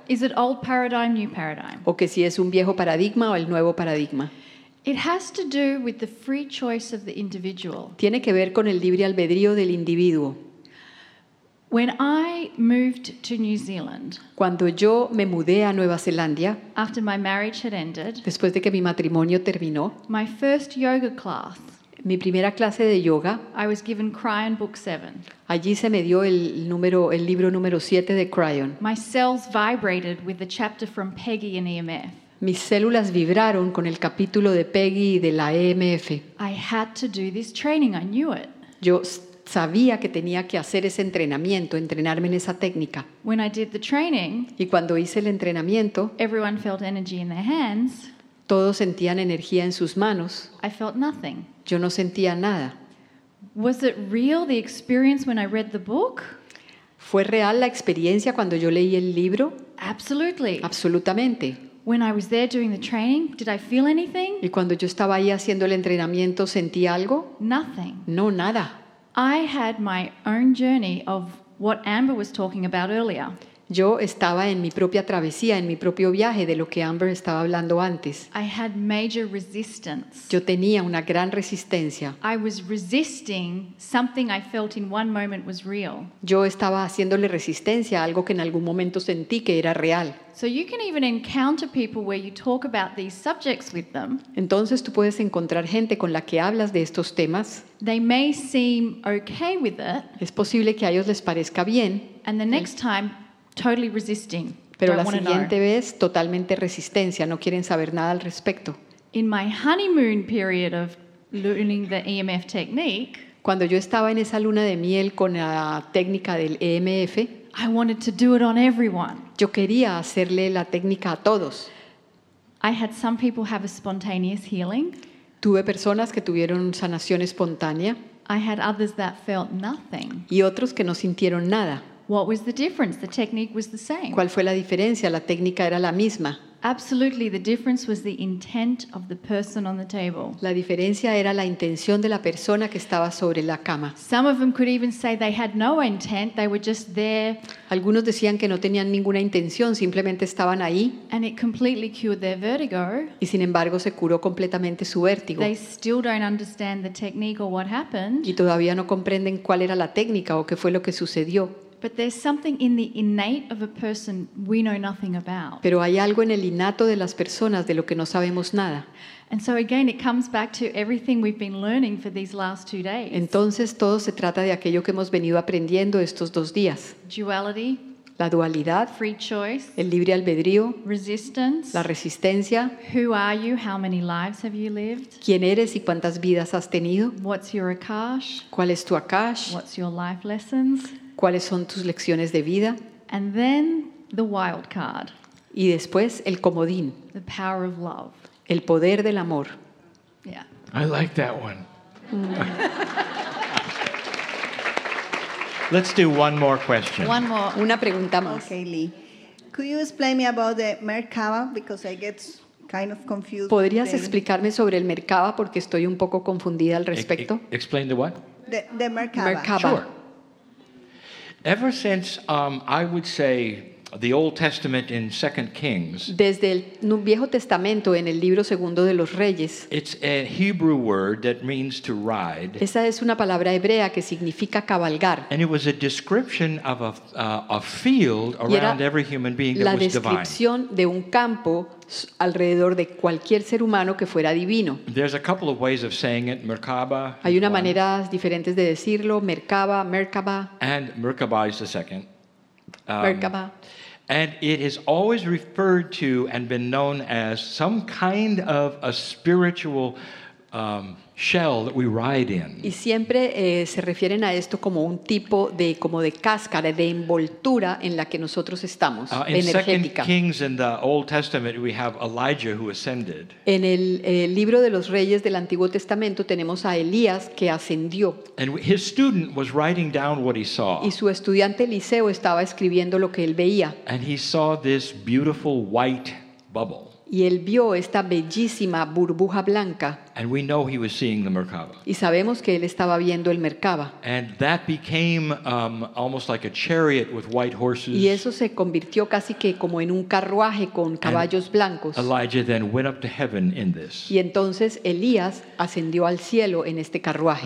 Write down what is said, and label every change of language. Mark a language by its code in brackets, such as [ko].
[en] Is it old paradigm, new paradigm? [es] O que si es un viejo paradigma o el nuevo paradigma. [en] It has to do with the free choice of the individual. [es] Tiene que ver con el libre albedrío del individuo. [en] When I moved to New Zealand, [es] cuando yo me mudé a Nueva Zelanda, [en] after my marriage had ended, [es] después de que mi matrimonio terminó, [en] my first yoga class, [es] mi primera clase de yoga, [en] I was given Cryon book 7. [es] Allí se me dio el libro número 7 de Cryon. [en] My cells vibrated with the chapter from Peggy and EMF. [es] Mis células vibraron con el capítulo de Peggy y de la EMF. [en] I had to do this training, I knew it. [es] Yo sabía que tenía que hacer ese entrenamiento, entrenarme en esa técnica. [en] When I did the training, [es] y cuando hice el entrenamiento, [en] everyone felt energy in their hands. [es] Todos sentían energía en sus manos. [en] I felt nothing. [es] Yo no sentía nada. [en] Was it real, the experience when I read the book? [es] ¿Fue real la experiencia cuando yo leí el libro? [en] Absolutely. [es] Absolutamente. [en] When I was there doing the training, did I feel anything? [es] ¿Y cuando yo estaba ahí haciendo el entrenamiento sentí algo? [en] Nothing. [es] No, nada. [en] I had my own journey of what Amber was talking about earlier. [es] Yo estaba en mi propia travesía, en mi propio viaje de lo que Amber estaba hablando antes. [en] I had major resistance. [es] Yo tenía una gran resistencia. [en] I was resisting something I felt in one moment was real. [es] Yo estaba haciéndole resistencia a algo que en algún momento sentí que era real. [en] So you can even encounter people where you talk about these subjects with them. [es] Entonces tú puedes encontrar gente con la que hablas de estos temas. [en] They may seem okay with it. [es] Es posible que a ellos les parezca bien. [en] And the next time, totally resisting. [es] Pero [en] don't [es] la siguiente vez, totalmente resistencia. No quieren saber nada al respecto. [en] In my honeymoon period of learning the EMF technique, [es] cuando yo estaba en esa luna de miel con la técnica del EMF, [en] I wanted to do it on everyone. [es] Yo quería hacerle la técnica a todos. [en] I had some people have a spontaneous healing. [es] Tuve personas que tuvieron sanación espontánea. [en] I had others that felt nothing. [es] Y otros que no sintieron nada. [en] What was the difference? The technique was the same. [es] ¿Cuál fue la diferencia? La técnica era la misma. [en] Absolutely, the difference was the intent of the person on the table. [es] La diferencia era la intención de la persona que estaba sobre la cama. [en] Some of them could even say they had no intent, they were just there. [es] Algunos decían que no tenían ninguna intención, simplemente estaban ahí. [en] And it completely cured their vertigo. [es] Y sin embargo se curó completamente su vértigo. [en] They still don't understand the technique or what happened. [es] Y todavía no comprenden cuál era la técnica o qué fue lo que sucedió. [en] But there's something in the innate of a person we know nothing about. [es] Pero hay algo en el innato de las personas de lo que no sabemos nada. [en] And so again, it comes back to everything we've been learning for these last 2 days. [es] Entonces todo se trata de aquello que hemos venido aprendiendo estos 2 días. [en] Duality. [es] la dualidad, [en] free choice, [es] el libre albedrío, [en] resistance, [es] la resistencia, [en] who are you, how many lives have you lived, [es] quién eres y cuántas vidas has tenido, [en] what's your akash, [es] cuál es tu akash, [en] what's your life lessons, [es] cuáles son tus lecciones de vida, [en] and then the wild card, [es] y después el comodín, [en] the power of love, [es] el poder del amor. [en] Yeah. I like that one. Let's do one more question. One more. [es] Una pregunta más. [en] Okay, Lee. Could you explain me about the Merkaba? Because I get kind of confused. [es] ¿Podrías explicarme sobre el Merkaba? Porque estoy un poco confundida al respecto. [en] Explain the what? The Merkaba. Merkaba. Sure. Ever since, I would say, the Old Testament in 2 Kings. [es] Desde el Viejo Testamento en el libro Segundo de los Reyes. [en] It's a Hebrew word that means to ride. [es] Esa es una palabra hebrea que significa cabalgar. [en] And it was a description of a field around every human being that was divine. [es] La descripción de un campo alrededor de cualquier ser humano que fuera divino. [en] There's a couple of ways of saying it. Merkaba. [es] Hay una manera diferente de decirlo. Merkaba, Merkaba. [en] And Merkaba is the second. [es] Merkaba. [en] And it is always referred to and been known as some kind of a spiritual shell that we ride in. [es] Y siempre se refieren a esto como un tipo de como de cáscara, de envoltura en la que nosotros estamos, energética. [en] In 2 Kings in the Old Testament we have Elijah who ascended. [es] En el libro de los Reyes del Antiguo Testamento tenemos a Elías que ascendió. [en] And his student was writing down what he saw. [es] Y su estudiante Eliseo estaba escribiendo lo que él veía. [en] And he saw this beautiful white bubble. [es] Y él vio esta bellísima burbuja blanca. [en] And we know he was seeing the Merkaba. [es] Y sabemos que él estaba viendo el Merkaba. [en] And that became almost like a chariot with white horses. [es] Y eso se convirtió casi que como en un carruaje con caballos blancos. [en] Elijah then went up to heaven in this. [es] Y entonces Elías ascendió al cielo en este carruaje.